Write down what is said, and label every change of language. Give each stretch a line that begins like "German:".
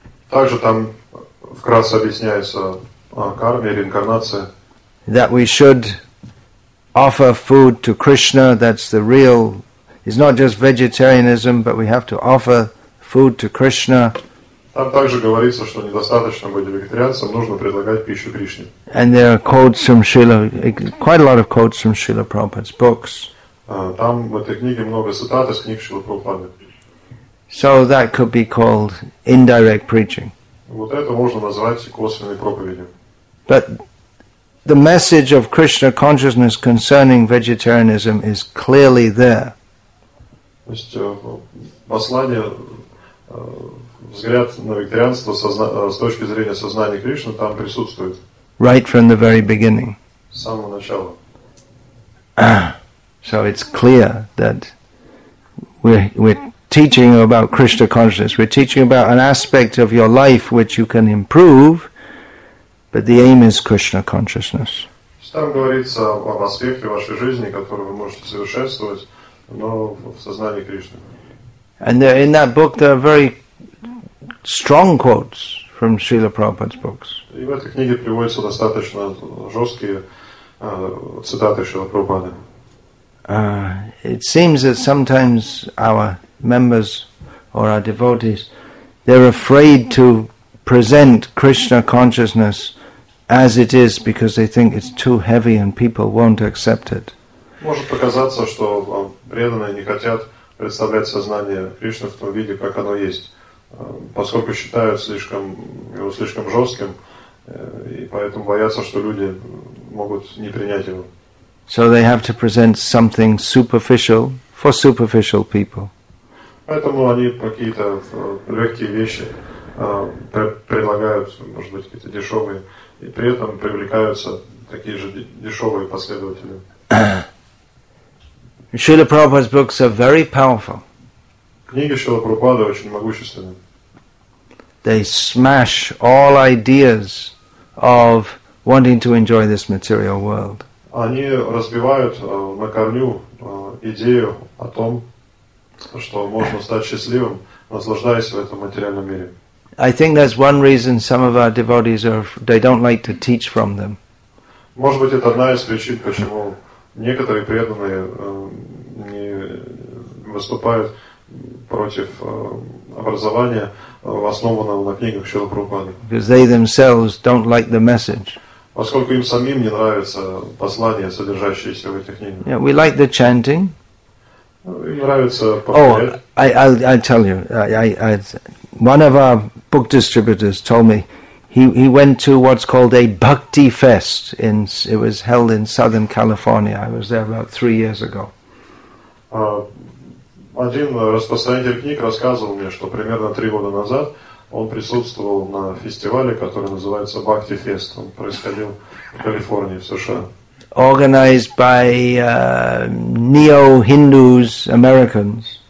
Russian: Также там вкратце объясняется карма, реинкарнация.
English: That we should offer food to Krishna, that's the real. It's not just vegetarianism, but we have to offer food to Krishna.
Russian: Там также говорится, что недостаточно быть вегетарианцем, нужно предлагать пищу Кришне.
English: And there are quotes from Srila, quite a lot of quotes from Srila Prabhupada's books.
Russian: Там в этой книге много цитат из книг Шрилы Прабхупады.
English: So that could be called indirect preaching.
Russian: Вот это можно назвать косвенной проповедью.
English: But the message of Krishna consciousness concerning vegetarianism is clearly there.
Russian: То есть послание, взгляд на вегетарианство с точки зрения сознания Кришны там присутствует.
English: Right from the very beginning.
Russian: С самого начала.
English: So it's clear that we're teaching about Krishna consciousness. We're teaching about an aspect of your life which you can improve, but the aim is Krishna consciousness.
Russian: Там говорится об аспекте вашей жизни, который вы можете совершенствовать, но в сознании Кришны.
English: And there, in that book there are very strong quotes from Srila Prabhupada's books.
Russian: И в этой книге приводятся достаточно жесткие цитаты Шрила Прабхупады.
English: It seems that sometimes our members or our devotees, they're afraid to present Krishna consciousness as it is because they think it's too heavy and people won't accept it.
Russian: Может показаться, что преданные не хотят представлять сознание Кришны в том виде, как оно есть, поскольку считают слишком жестким, и поэтому боятся, что люди могут не принять его.
English: So they have to present something superficial for superficial people.
Russian: Поэтому они какие-то легкие вещи предлагают, может быть, какие-то дешевые, и при этом привлекаются такие же дешевые последователи.
English: Srila Prabhupada's books are very powerful.
Russian: Книги Шрилы Прабхупады очень могущественны.
English: They smash all ideas of wanting to enjoy this material world.
Russian: Они разбивают на корню идею о том, что можно стать счастливым, наслаждаясь в этом материальном мире.
English: I think that's one reason some of our devotees they don't like to teach from them.
Russian: Может быть, это одна из причин, почему некоторые преданные не выступают против образования, основанного на книгах Шрилы Прабхупады.
English: Because they themselves don't like the message.
Russian: Поскольку им самим не нравятся послания, содержащиеся в этих книгах.
English: Yeah, we like the chanting.
Russian: Им нравится повторять.
English: Oh, I'll tell you. I one of our book distributors told me he went to what's called a bhakti fest it was held in Southern California. I was there about 3 years ago.
Russian: Один распространитель книг рассказывал мне, что примерно 3 года назад он присутствовал на фестивале, который называется Bhakti Fest. Он происходил в Калифорнии, в США.
English: Organized by neo-Hindus Americans.